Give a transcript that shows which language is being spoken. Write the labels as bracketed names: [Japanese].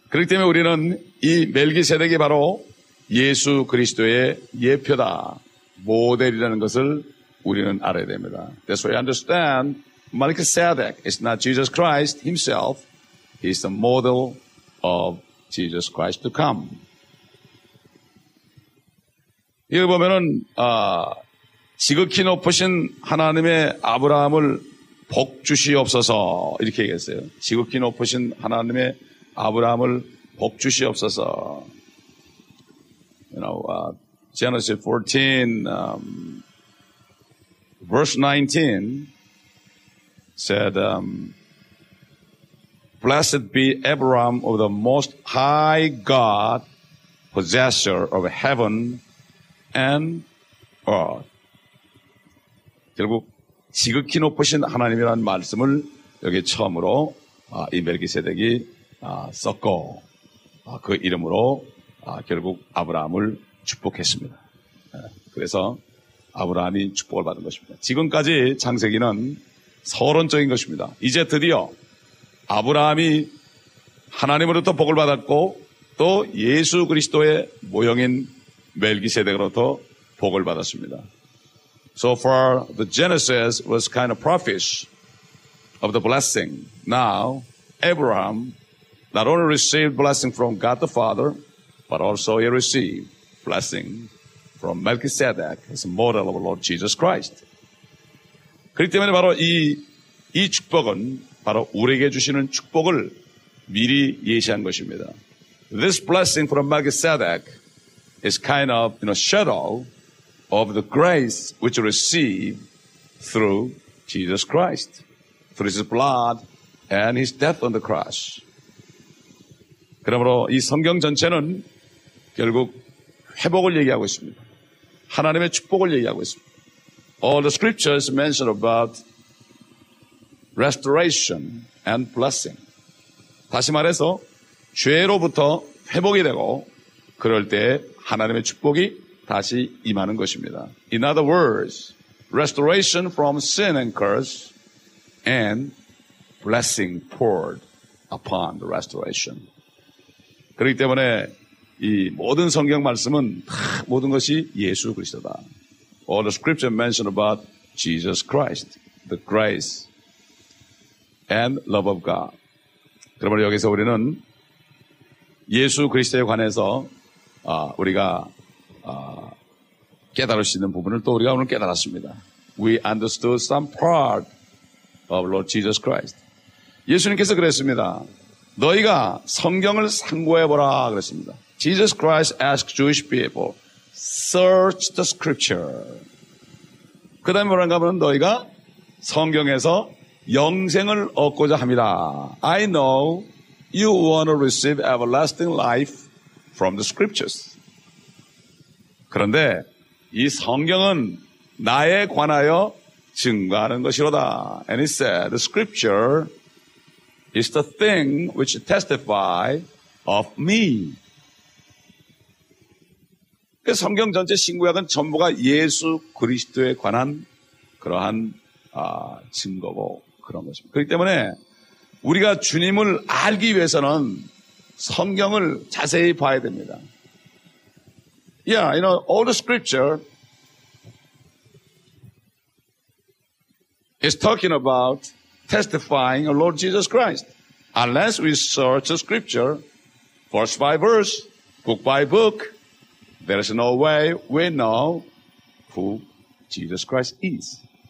[Korean] 그렇기 때문에 우리는 이 멜기세덱이 바로 예수 그리스도의 예표다, 모델이라는 것을 우리는 알아야 됩니다. [English] That's why I understand Melchizedek is not Jesus Christ himself. He is the model of Jesus Christ to come. [Korean] 이걸 보면은 지극히 높으신 하나님의 아브라함을 복 주시옵소서 이렇게 얘기했어요. 지극히 높으신 하나님의 아브라함을 복 주시옵소서. [English] You know, Genesis 14, verse 19 said, Blessed be Abraham of the most high God, possessor of heaven and earth. [Korean] 결국 지극히 높으신 하나님이라는 말씀을 여기 처음으로 이 멜기세덱이 썼고 그 이름으로 결국 아브라함을 축복했습니다. 그래서 아브라함이 축복을 받은 것입니다. 지금까지 창세기는 서론적인 것입니다. 이제 드디어 아브라함이 하나님으로부터 복을 받았고 또 예수 그리스도의 모형인 멜기세덱으로부터 복을 받았습니다. [English] So far the Genesis was kind of prophecy of the blessing. Now Abraham not only received blessing from God the Father, but also he received blessing from Melchizedek as a model of Lord Jesus Christ. [Korean] 그렇기 때문에 바로 이 축복은 바로 우리에게 주시는 축복을 미리 예시한 것입니다. [English] This blessing from Melchizedek is kind of, you know, shadow of the grace which you receive through Jesus Christ, through His blood and His death on the cross. [Korean] 그러므로 이 성경 전체는 결국 회복을 얘기하고 있습니다. 하나님의 축복을 얘기하고 있습니다. [English] All the scriptures mention about restoration and blessing. [Korean] 다시 말해서 죄로부터 회복이 되고 그럴 때 하나님의 축복이 다시 임하는 것입니다. [English] In other words, restoration from sin and curse and blessing poured upon the restoration. [Korean] 그렇기 때문에 이 모든 성경 말씀은 다 모든 것이 예수 그리스도다. [English] All the scripture mentioned about Jesus Christ, the grace and love of God. [Korean] 그러므로 여기서 우리는 예수 그리스도에 관해서 우리가 깨달을 수 있는 부분을 또 우리가 오늘 깨달았습니다. [English] We understood some part of Lord Jesus Christ. [Korean] 예수님께서 그랬습니다. 너희가 성경을 상고해보라 그랬습니다. [English] Jesus Christ asked Jewish people, search the scripture. [Korean] 그 다음에 뭐라고 하면 너희가 성경에서 영생을 얻고자 합니다. [English] I know you want to receive everlasting life from the scriptures. [Korean] 그런데 이 성경은 나에 관하여 증거하는 것이로다. [English] And he said, the scripture is the thing which testify of me. [Korean] 그 성경 전체 신구약은 전부가 예수 그리스도에 관한 그러한 증거고 그런 것입니다. 그렇기 때문에 우리가 주님을 알기 위해서는 성경을 자세히 봐야 됩니다. [English] Yeah, you know, all the scripture is talking about testifying of Lord Jesus Christ. Unless we search the scripture verse by verse, book by book, there is no way we know who Jesus Christ is.